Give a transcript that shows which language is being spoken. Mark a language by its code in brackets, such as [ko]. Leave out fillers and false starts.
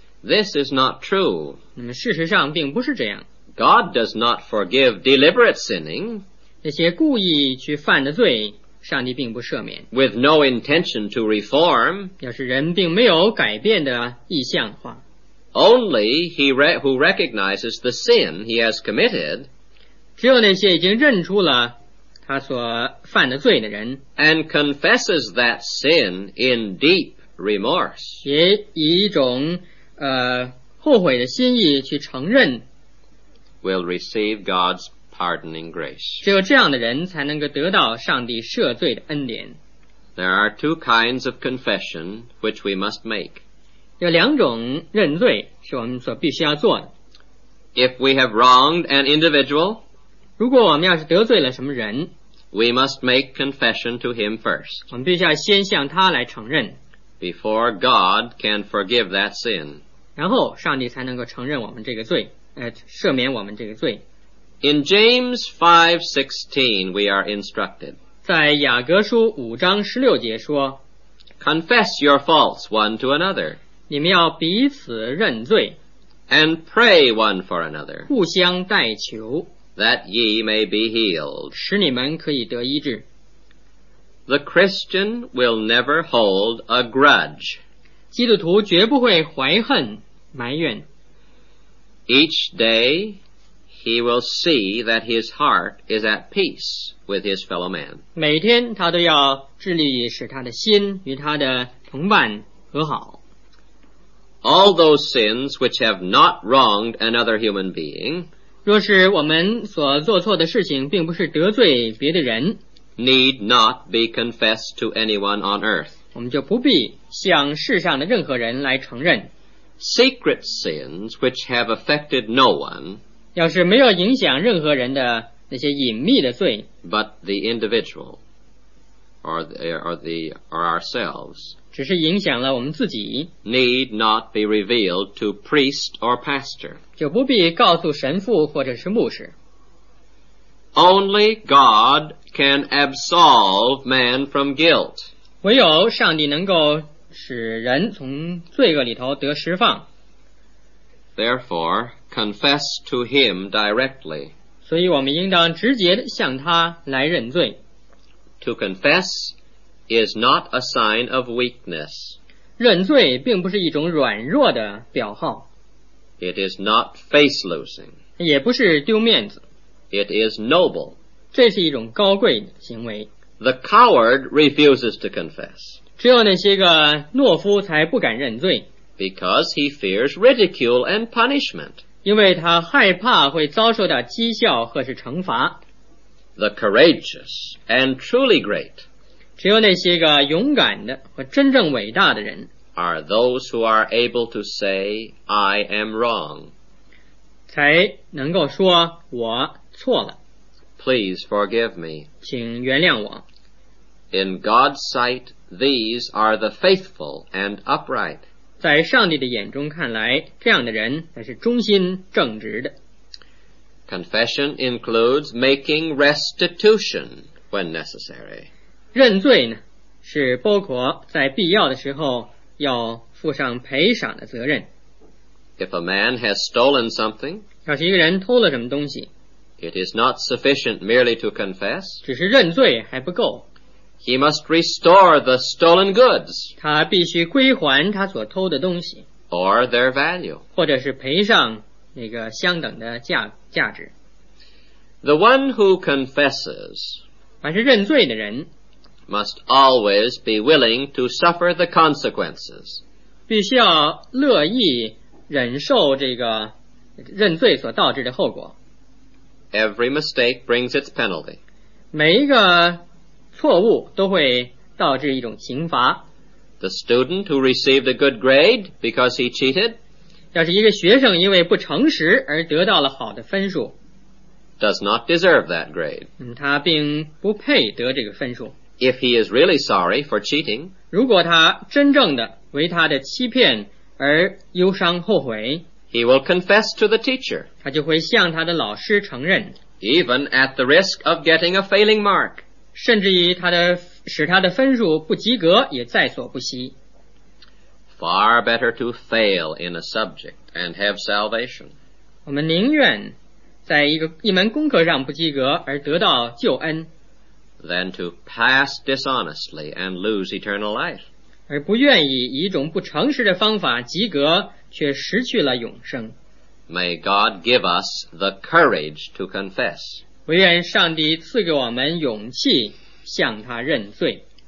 [en] This is not true， [zh] 那么事实上并不是这样。 [en] God does not forgive deliberate sinning. [zh] 那些故意去犯的罪，上帝并不赦免。 [en] With no intention to reform. [zh] 要是人并没有改变的意向的话。 [en] Only he who recognizes the sin he has committed. [zh] 只有那些已经认出了他所犯的罪的人。 [en] And confesses that sin in deep remorse. [zh] 也以一种后悔的心意去承认。 [en] Will receive God's pardoning grace. [zh] 只有这样的人才能够得到上帝赦罪的恩典。 [en] There are two kinds of confession which we must make. [zh] 有两种认罪是我们所必须要做的。 [en] If we have wronged an individual, [zh] 如果我们要是得罪了什么人, [en] we must make confession to him first. [zh] 我们必须要先向他来承认。 [en] Before God can forgive that sin. [zh] 然后上帝才能够承认我们这个罪。赦免我们这个罪。 [en] In James 5:16, we are instructed. [zh] 在雅各书五章十六节说 [en] Confess your faults one to another. [zh] 你们要彼此认罪。 [en] And pray one for another. [zh] 互相代求。 [en] That ye may be healed. [zh] 使你们可以得医治。 [en] The Christian will never hold a grudge. [zh] 基督徒绝不会怀恨埋怨。 [en] Each day, he will see that his heart is at peace with his fellow man. [zh] 每天他都要致力于使他的心与他的同伴和好。 [en] All those sins which have not wronged another human being, [zh] 若是我们所做错的事情并不是得罪别的人, [en] need not be confessed to anyone on earth. [zh] 我们就不必向世上的任何人来承认。 [en] Secret sins which have affected no one, [zh] 要是没有影响任何人的那些隐秘的罪, [en] but the individual or ourselves, [zh] 只是影响了我们自己, [en] need not be revealed to priest or pastor, [zh] 就不必告诉神父或者是牧师。 [en] Only God can absolve man from guilt. [zh] 唯有上帝能够使人从罪恶里头得释放。 [en] Therefore, confess to him directly. [zh] 所以我们应当直接向他来认罪。 [en] To confess is not a sign of weakness. [zh] 认罪并不是一种软弱的表号。 [en] It is not face losing. [zh] 也不是丢面子。 [en] It is noble. [zh] 这是一种高贵的行为。 [en] The coward refuses to confess. [zh] 只有那些个懦夫才不敢认罪。 [en] Because he fears ridicule and punishment. [zh] 因为他害怕会遭受到讥笑或是惩罚。 [en] The courageous and truly great. [zh] 只有那些个勇敢的和真正伟大的人。 [en] Are those who are able to say, I am wrong. [zh] 才能够说我错了。 [en] Please forgive me. [zh] 请原谅我。 [en] In God's sight, these are the faithful and upright. [zh] 在上帝的眼中看来，这样的人才是忠心正直的。 [en] Confession includes making restitution when necessary. [zh] 认罪呢，是包括在必要的时候要负上赔偿的责任。 [en] If a man has stolen something, [zh] 要是一个人偷了什么东西， [en] it is not sufficient merely to confess. [zh] 只是认罪还不够。 [en] He must restore the stolen goods. [zh] 他必须归还他所偷的东西。 [en] Or their value. [zh] 或者是赔上那个相等的价值。 [en] The one who confesses. [zh] 凡是认罪的人。 [en] Must always be willing to suffer the consequences. [zh] 必须要乐意忍受这个认罪所导致的后果。 [en] Every mistake brings its penalty. [zh] 每一个错误都会导致一种刑罚。 [en] The student who received a good grade because he cheated, [zh] 要是一个学生因为不诚实而得到了好的分数， [en] does not deserve that grade. [zh] 他并不配得这个分数。 [en] If he is really sorry for cheating, [zh] 如果他真正的为他的欺骗而忧伤后悔， [en] he will confess to the teacher. [zh] 他就会向他的老师承认。 [en] Even at the risk of getting a failing mark. [zh] 甚至于使他的分数不及格也在所不惜。 [en] Far better to fail in a subject and have salvation. [zh] 我们宁愿在一门功课上不及格而得到救恩 [en] than to pass dishonestly and lose eternal life. [zh] 而不愿意以一种不诚实的方法及格却失去了永生。 [en] May God give us the courage to confess. [zh] 唯愿上帝赐给我们勇气向他认罪。